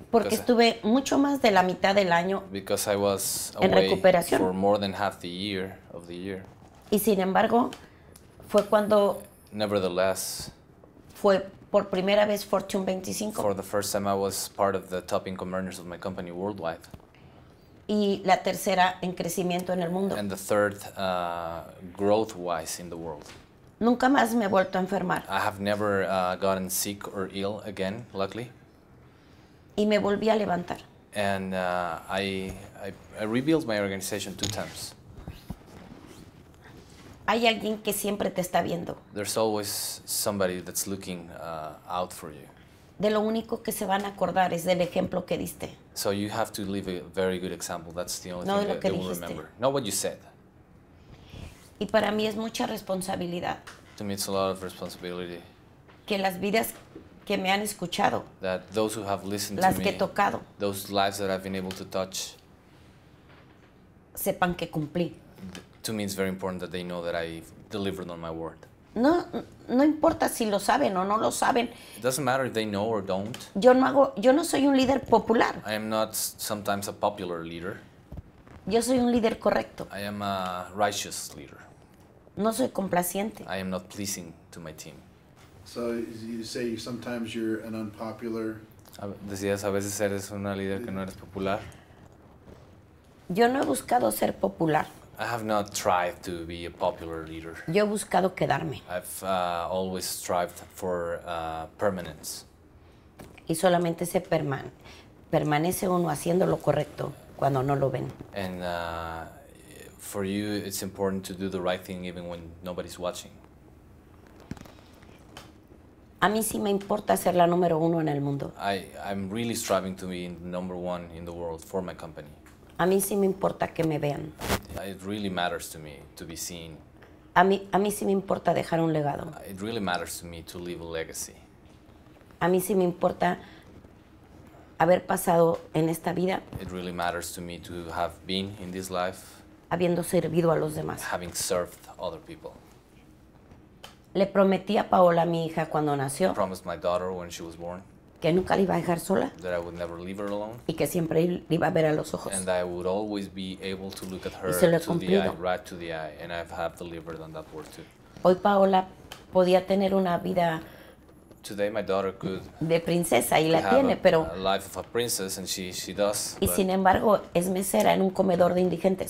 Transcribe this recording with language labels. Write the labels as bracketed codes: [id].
[es] Porque estuve mucho más de la mitad del año. [en] Because I was away [es] en recuperación. [en] For more than half the year of the year. [es] Y sin embargo, fue cuando. [en] Nevertheless. [es] Fue por primera vez Fortune 25. [en] For the first time I was part of the top income earners of my company worldwide. [es] Y la tercera en crecimiento en el mundo. [en] And the third growth-wise in the world. [es] Nunca más me he vuelto a enfermar. [en] I have never gotten sick or ill again, luckily. [es] Y me volví a levantar. [en] And I rebuilt my organization 2 times. [es] Hay alguien que siempre te está viendo. [en] There's always somebody that's looking out for you. [es] De lo único que se van a acordar es del ejemplo que diste. [en] So you have to leave a very good example. That's the only [es] no [en] thing that they will remember. Not what you said. [es] Y para mí es mucha responsabilidad. [en] To me it's a lot of responsibility. [es] Que las vidas que me han escuchado. [en] That those who have listened [es] las [en] to me. [es] Las que he tocado. [en] Those lives that I've been able to touch. [es] Sepan que cumplí. [en] To me it's very important that they know that I've delivered on my word. [es] No importa si lo saben o no lo saben. [en] It doesn't matter if they know or don't. [es] Yo no soy un líder popular. [en] I am not sometimes a popular leader. [es] Yo soy un líder correcto. [en] I am a righteous leader. [es] No soy complaciente. [en] I am not pleasing to my team. So you say sometimes you're an unpopular. [es] Decías a veces eres una líder que no eres popular. Yo no he buscado ser popular. [en] I have not tried to be a popular leader. [es] Yo he buscado quedarme. [en] I've always strived for permanence. [es] Y solamente se permanece uno haciendo lo correcto cuando no lo ven. [en] And for you, it's important to do the right thing even when nobody's watching. [es] A mí sí me importa ser la número uno en el mundo. [en] I'm really striving to be number one in the world for my company. [es] A mí sí me importa que me vean. [en] It really matters to me to be seen. [es] A mí sí me importa dejar un legado. [en] It really matters to me to leave a legacy. [es] A mí sí me importa haber pasado en esta vida. [en] It really matters to me to have been in this life. [es] Habiendo servido a los demás. [en] Having served other people. [es] Le prometí a Paola, mi hija, cuando nació. [en] I promised my daughter when she was born. [es] Que nunca la iba a dejar sola. [en] That I would never leave her alone. [es] Y que siempre la iba a ver a los ojos. [en] And I would always be able to look at her. [es] Y se lo he cumplido. [en] To the eye, right to the eye. And I have delivered on that word too. [es] Hoy Paola podía tener una vida. [en] Today my daughter could. [es] De princesa y la tiene, a, pero. [en] A life of a princess and she does. [es] Y sin embargo es mesera en un comedor de indigentes.